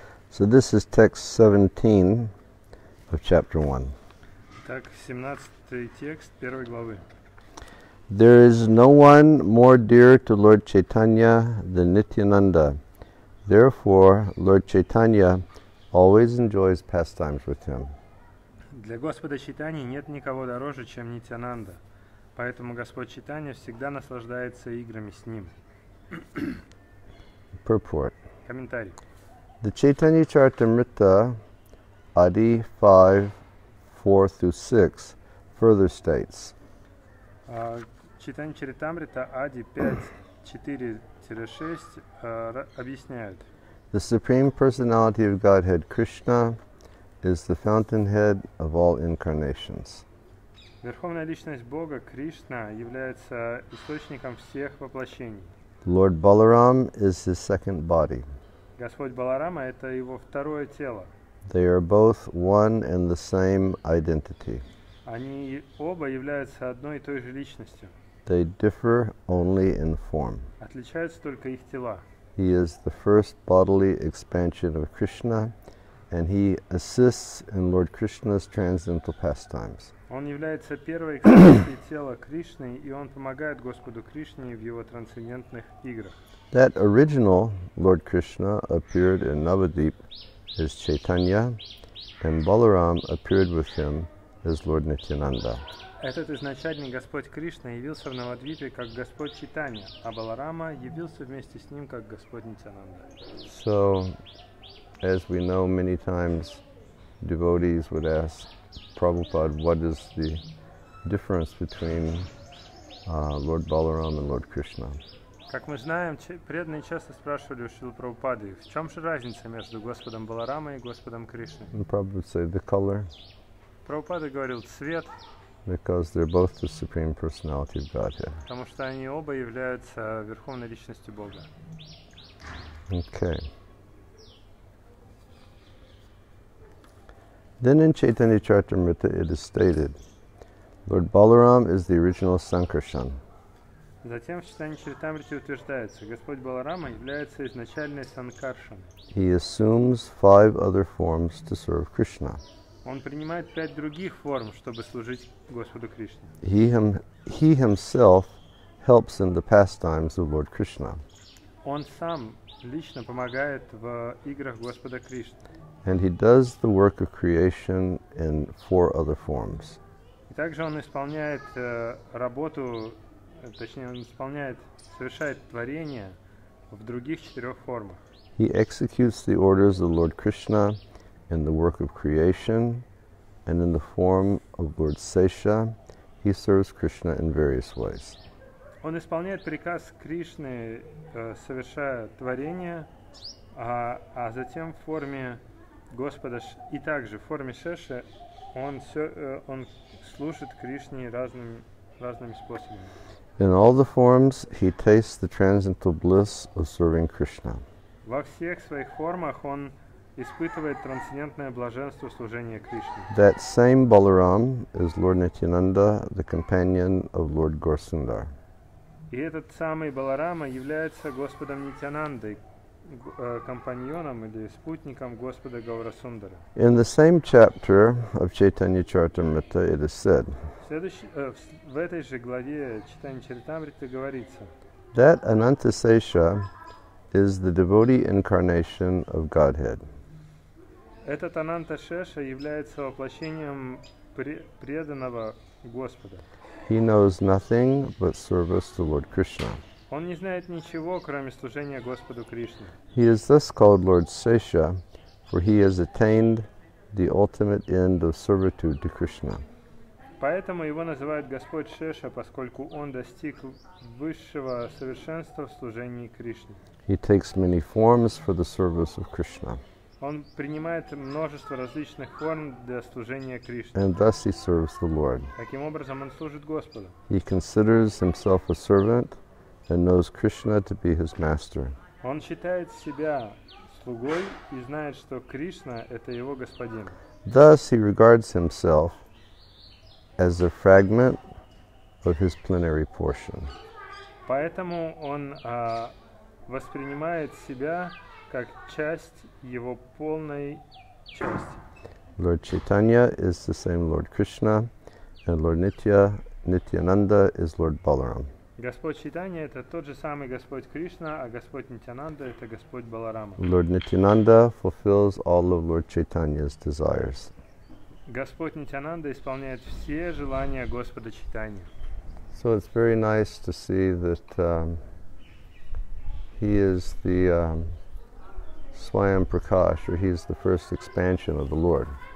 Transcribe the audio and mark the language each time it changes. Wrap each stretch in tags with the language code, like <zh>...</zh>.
<en>So this is text 17 of chapter 1.</en> <ru>Так, 17 текст первой главы.</ru> <en>There is no one more dear to Lord Chaitanya than Nityananda. Therefore, Lord Chaitanya always enjoys pastimes with him.</en> <ru>Для Господа Чайтаньи нет никого дороже, чем Нитьянанда. Поэтому Господь Чайтанья всегда наслаждается играми с ним.</ru> <en>Purport.</en> <ru>Комментарий.</ru> <en>The Chaitanya Charitamrita, Adi 5, 4 through 6, further states.</en> <ru>Chaitanya Charitamrita, Adi 5, 4-6, объясняет.</ru> <en>The Supreme Personality of Godhead, Krishna, is the fountainhead of all incarnations.</en> <ru>Верховная личность Бога Кришна является источником всех воплощений.</ru> <en>Lord Balaram is his second body.</en> <ru>Господь Баларама — это его второе тело.</ru> <en>They are both one and the same identity.</en> <ru>Они оба являются одной и той же личностью.</ru> <en>They differ only in form.</en> <ru>Отличаются только их тела.</ru> <en>He is the first bodily expansion of Krishna, and he assists in Lord Krishna's transcendental pastimes.</en> <ru>Он является первой экспрессией тела Кришны, и он помогает Господу Кришне в его трансцендентных играх.</ru> <en>That original Lord Krishna appeared in Navadvip as Chaitanya, and Balaram appeared with him as Lord Nityananda.</en> <ru>Этот изначальный Господь Кришна явился в Навадвипе как Господь Чайтанья, а Баларама явился вместе с ним как Господь Нитянанда.</ru> <en>So, as we know, many times devotees would ask Prabhupada, what is the difference between Lord Balaram and Lord Krishna?</en> <ru>Как мы знаем, преданные часто спрашивали у Шрилы Прабхупады, в чем же разница между Господом Баларамой и Господом Кришной?</ru> <en>And Prabhupada would say, the color.</en> <ru>Прабхупада говорил, цвет.</ru> <en>Because they're both the Supreme Personality of Godhead.</en> <ru>Потому что они оба являются Верховной Личностью Бога.</ru> <en>Okay. Then in Chaitanya Charitamrita it is stated, Lord Balaram is the original Sankarshan.</en> <ru>Затем в Chaitanya Charitamrita утверждается, Господь Баларама является изначальной Санкаршан.</ru> <en>He assumes five other forms to serve Krishna.</en> <ru>Он принимает пять других форм, чтобы служить Господу Кришне.</ru> <en>He himself helps in the pastimes of Lord Krishna.</en> <ru>Он сам лично помогает в играх Господа Кришны.</ru> <en>And he does the work of creation in four other forms.</en> <ru>И также он исполняет работу, точнее, он исполняет, совершает творение в других четырех формах.</ru> <en>He executes the orders of Lord Krishna in the work of creation, and in the form of Lord Sesha, he serves Krishna in various ways.</en> <ru>Он исполняет приказ Кришны, совершая творение, а затем в форме Господа, и также в форме Шеши он служит Кришне разными способами.</ru> <en>In all the forms, he tastes the transcendental bliss of serving Krishna.</en> <ru>Во всех своих формах он испытывает трансцендентное блаженство служения Кришне.</ru> <en>That same Balaram is Lord Nityananda, the companion of Lord Gaurasundar.</en> <ru>И этот самый Баларама является Господом Нитянандой, компаньоном или спутником Господа Гаурасундара.</ru> <en>In the same chapter of Chaitanya Charitamrita it is said.</en> <ru>В этой же главе Chaitanya Charitamrita говорится.</ru> <en>That Ananta Sesha is the devotee incarnation of Godhead.</en> <ru>Этот Ананта Шеша является воплощением преданного Господа.</ru> <en>He knows nothing but service to Lord Krishna.</en> <ru>Он не знает ничего, кроме служения Господу Кришне.</ru> <en>He is thus called Lord Sesha, for he has attained the ultimate end of servitude to Krishna.</en> <ru>Поэтому его называют Господь Шеша, поскольку он достиг высшего совершенства в служении Кришне.</ru> <en>He takes many forms for the service of Krishna.</en> <ru>Он принимает множество различных форм для служения Кришне.</ru> <en>And thus he serves the Lord.</en> <ru>Таким образом он служит Господу.</ru> <en>He considers himself a servant and knows Krishna to be his master.</en> <ru>Он считает себя слугой и знает, что Кришна – это его господин.</ru> <en>Thus he regards himself as a fragment of his plenary portion.</en> <ru>Поэтому он воспринимает себя как часть его полной части.</ru> <en>Lord Chaitanya is the same Lord Krishna, and Lord Nityananda is Lord Balaram.</en> <ru>Господь Чайтанья – это тот же самый Господь Кришна, а Господь Нитянанда – это Господь Баларама.</ru> <en>Lord Nityananda fulfills all of Lord Chaitanya's desires.</en> <ru>Господь Нитянанда исполняет все желания Господа Чайтанья.</ru> <en>So it's very nice to see that he is the Swayam Prakash, or he is the first expansion of the Lord.</en>